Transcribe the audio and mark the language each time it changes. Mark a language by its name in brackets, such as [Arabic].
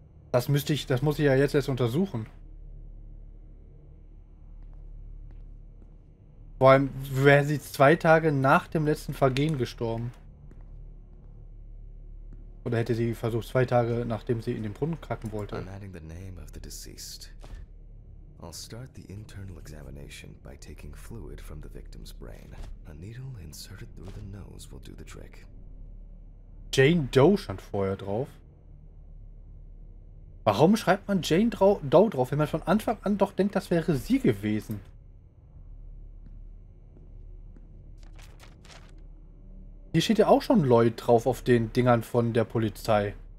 [German] Das muss ich ja jetzt erst untersuchen. Vor allem wäre sie 2 Tage nach dem letzten Vergehen gestorben. Oder hätte sie versucht, 2 Tage nachdem sie in den Brunnen kacken wollte. [English] I'm adding the name of the deceased. I'll start the internal examination by taking fluid from the victim's brain. A needle inserted through the nose will do the trick. [German] Jane Doe stand vorher drauf. Warum schreibt man Jane Doe drauf, wenn man von Anfang an doch denkt, das wäre sie gewesen? Hier steht ja auch schon Lloyd drauf auf den Dingern von der Polizei.